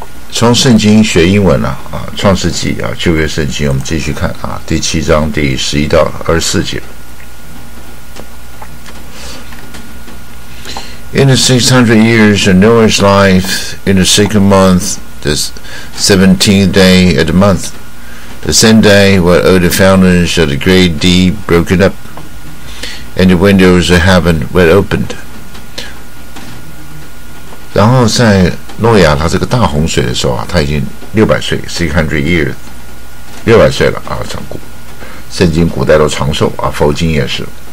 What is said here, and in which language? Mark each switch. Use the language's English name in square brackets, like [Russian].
[Chinese] 从圣经学英文啊，创世纪啊，旧约圣经，我们继续看啊，第七章第十一到二十四节。 [English] In the 600 years of Noah's life, in the second month, the 17th day of the month, the same day where all the fountains of the great deep broken up, and the windows of heaven were opened. [Chinese] 然后在诺亚他这个大洪水的时候啊，他已经600岁 , [English] 600 years, [Chinese] 600岁了啊，圣经古代都长寿啊，佛经也是。